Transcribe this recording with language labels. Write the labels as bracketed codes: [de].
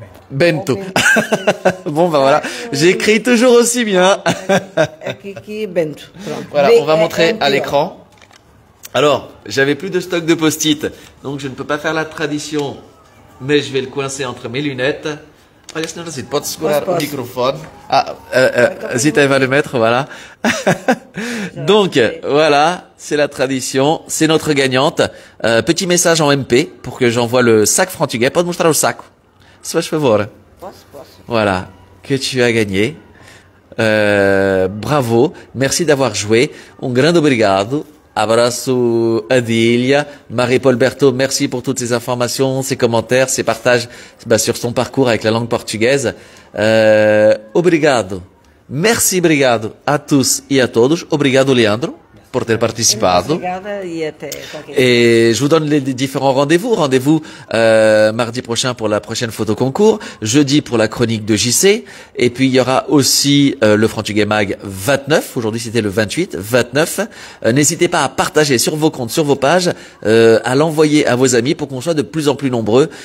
[fr] Bento. Bon, ben voilà, j'écris toujours aussi bien. Qui est Bento. Voilà, on va montrer à l'écran. Alors, j'avais plus de stock de post-it, donc je ne peux pas faire la tradition, mais je vais le coincer entre mes lunettes. [pt] Olha, senhora, Zita, pode segurar o microfone. [fr] Zita va le mettre, voilà. Donc, voilà, c'est la tradition, c'est notre gagnante. Petit message en MP pour que j'envoie le sac frantugais. [pt] Pode mostrar o saco. Se faz favor. [fr] Voilà, que tu as gagné. Bravo, merci d'avoir joué. [pt] Un grande obrigado. Abraço, Adilia. [fr] Marie-Paul Berthaud, merci pour toutes ces informations, ces commentaires, ces partages sur son parcours avec la langue portugaise. Obrigado. Merci, [pt] obrigado a [fr] tous et à [pt] todos. Obrigado, Leandro, por ter participado. [fr] Et je vous donne les différents rendez-vous. Rendez-vous mardi prochain pour la prochaine photo concours. Jeudi pour la chronique de JC. Et puis, il y aura aussi le Frantugais Mag 29. Aujourd'hui, c'était le 28. 29. N'hésitez pas à partager sur vos comptes, sur vos pages, à l'envoyer à vos amis pour qu'on soit de plus en plus nombreux.